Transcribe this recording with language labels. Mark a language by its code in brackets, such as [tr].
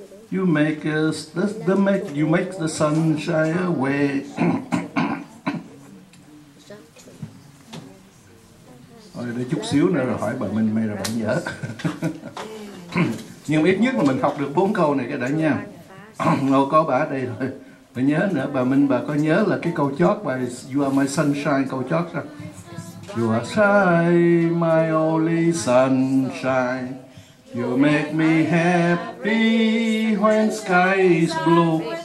[en] You make us you make the sun shine away. [vi] Rồi đi. để chút xíu nữa rồi hỏi bà Minh, may là bạn dở. Nhưng ít nhất là mình học được 4 câu này cái đã nha. Ngồi có bà ở đây rồi. Bà nhớ nữa, bà Minh, bà có nhớ là cái câu chót bài You Are My Sunshine, câu chót sao? [en] You are shy, my only sunshine. You make me happy when sky is blue.